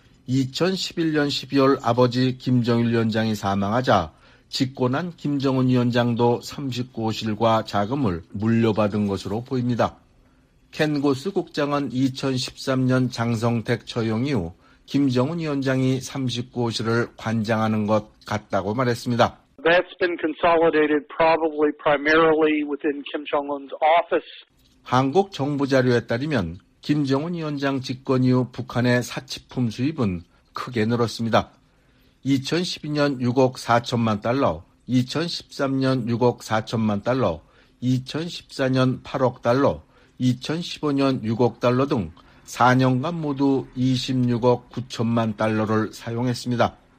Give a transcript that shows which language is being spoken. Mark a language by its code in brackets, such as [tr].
[ko] 2011년 12월 아버지 김정일 위원장이 사망하자 직권한 김정은 위원장도 39호실과 자금을 물려받은 것으로 보입니다. 켄고스 국장은 2013년 장성택 처형 이후 김정은 위원장이 39호실을 관장하는 것 같다고 말했습니다. [en] That's been consolidated probably primarily within Kim Jong-un's office. [ko] 한국 정부 자료에 따르면 김정은 위원장 집권 이후 북한의 사치품 수입은 크게 늘었습니다. 2012년 6억 4천만 달러, 2013년 6억 4천만 달러, 2014년 8억 달러, 2015년 6억 달러 등 4년간 모두 26억 9천만 달러를 사용했습니다.